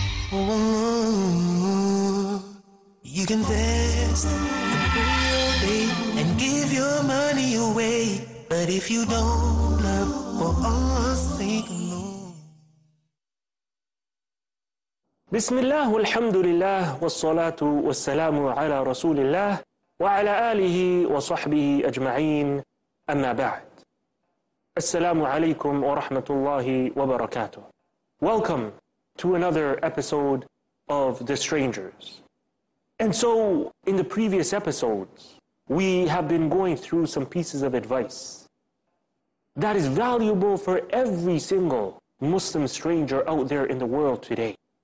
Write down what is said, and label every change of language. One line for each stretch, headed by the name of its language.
English: Oh Allah, you can fast and pray all day and give your money away, but if you don't love for Allah's sake,
Arabic: بسم الله والحمد لله والصلاة والسلام على رسول الله وعلى آله وصحبه أجمعين أما بعد السلام عليكم ورحمة الله وبركاته.
English: Welcome to another episode of The Strangers. And so in the previous episodes, we have been going through some pieces of advice that is valuable for every single Muslim stranger out there in the world today.